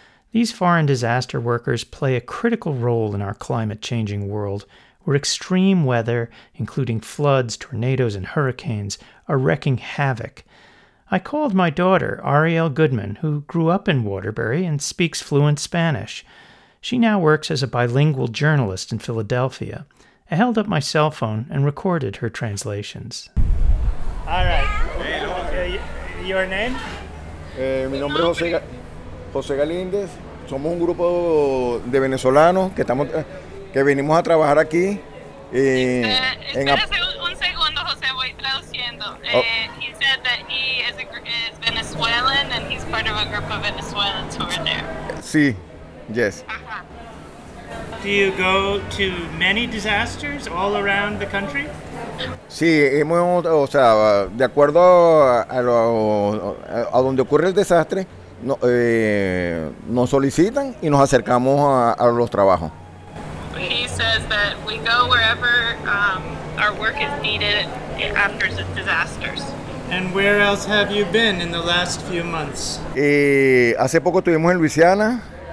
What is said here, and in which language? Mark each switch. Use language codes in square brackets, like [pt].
[en] These foreign disaster workers play a critical role in our climate-changing world, where extreme weather, including floods, tornadoes, and hurricanes, are wreaking havoc. I called my daughter, Arielle Goodman, who grew up in Waterbury and speaks fluent Spanish. She now works as a bilingual journalist in Philadelphia. I held up my cell phone and recorded her translations. All right. Your name? [es] Mi nombre es José Galíndez. Somos un grupo de venezolanos que estamos... que venimos a trabajar aquí. Un segundo, José, voy traduciendo. [en] He said that he is Venezuelan and he's part of a group of Venezuelans over there. [es] Sí, [en] yes. Do you go to many disasters all around the country? [es] Sí, de acuerdo a donde ocurre el desastre, nos solicitan y nos acercamos a los trabajos. [en] He says that we go wherever our work is needed after the disasters. And where else have you been in the last few months? [es] Hace poco estuvimos en Louisiana.